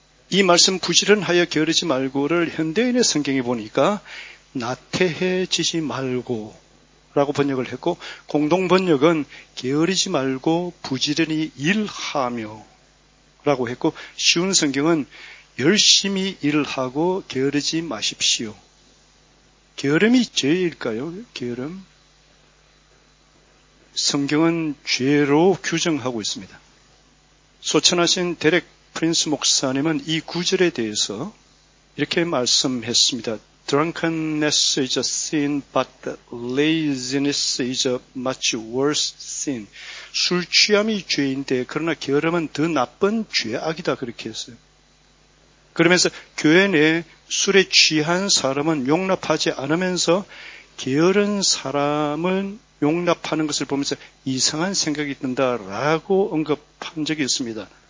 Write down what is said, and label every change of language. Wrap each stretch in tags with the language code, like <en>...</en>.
<ko>이 말씀 부지런하여 게으르지 말고를 현대인의 성경에 보니까 나태해지지 말고 라고 번역을 했고, 공동 번역은 게으르지 말고 부지런히 일하며 라고 했고, 쉬운 성경은 열심히 일하고 게으르지 마십시오. 게으름이 죄일까요? 게으름? 성경은 죄로 규정하고 있습니다. 소천하신 데렉 프린스 목사님은 이 구절에 대해서 이렇게 말씀했습니다.</ko> <en>Drunkenness is a sin, but laziness is a much worse sin.</en> <ko>술 취함이 죄인데, 그러나 게으름은 더 나쁜 죄악이다, 그렇게 했어요. 그러면서 교회 내 술에 취한 사람은 용납하지 않으면서 게으른 사람은 용납하는 것을 보면서 이상한 생각이 든다라고 언급한 적이 있습니다.</ko>